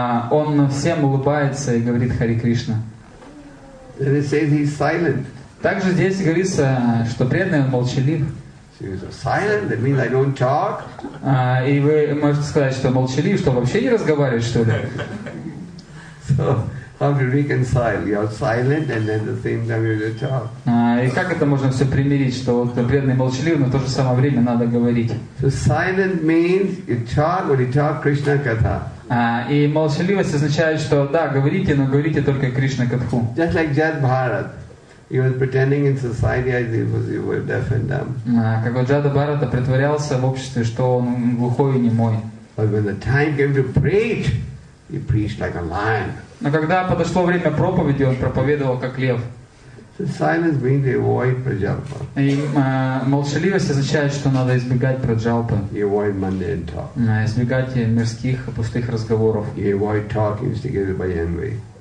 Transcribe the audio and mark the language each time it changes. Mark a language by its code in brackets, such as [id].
[ru] Он всем улыбается и говорит Hare Krishna. [en] And it says he's silent. [ru] Также здесь говорится, что преданный молчалив. [en] Silent? That means I don't talk? [ru] И вы можете сказать, что молчали, что вообще не разговариваешь, что ли? [en] So, how to reconcile? You're silent and then the same time you don't talk. [ru] И как это можно все примирить, что вот преданный молчалив, но в то же самое время надо говорить? [en] So, silent means you talk or you talk Krishna Katha. [ru] И молчаливость означает, что да, говорите, но говорите только Кришна Катху. [en] Just like Jad Bharat. He was pretending in society as if he were deaf and dumb. [ru] Как вот Джада Бхарата притворялся в обществе, что он глухой и немой. [en] But when the time came to preach, he preached like a lion. [ru] Но когда подошло время проповеди, он проповедовал как лев. [en] So silence means you avoid праджалпа. [ru] И молчаливость означает, что надо избегать праджалпы. [en] You avoid mundane talk. [ru] Избегать мирских пустых разговоров. [en] You avoid talking instigated by envy.